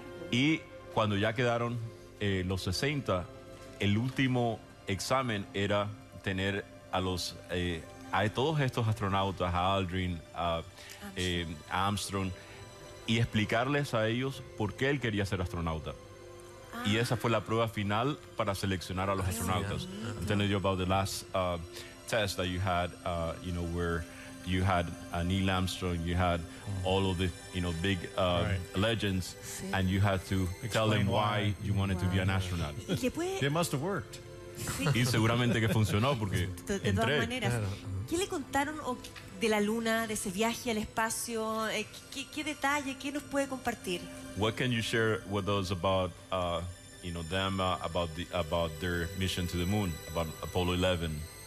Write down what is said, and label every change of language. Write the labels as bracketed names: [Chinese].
[Spanish] Y cuando ya quedaron los 60, el último examen era tener a los a todos estos astronautas, a Aldrin, a Armstrong, y explicarles a ellos por qué él quería ser astronauta. Ah. Y esa fue la prueba final para seleccionar a los astronautas. [English] I'm telling you about the last test that you had, you know, where you had Neil Armstrong, you had all of the, you know, big legends, and you had to tell them why you wanted to be an astronaut. It must have worked. [Spanish] Sí. Y seguramente que funcionó porque entré. De todas maneras, ¿qué le contaron de la luna, de ese viaje al espacio? ¿Qué detalle, qué nos puede compartir? [English] What can you share with us about you know, them, about their mission to the moon, about Apollo 11?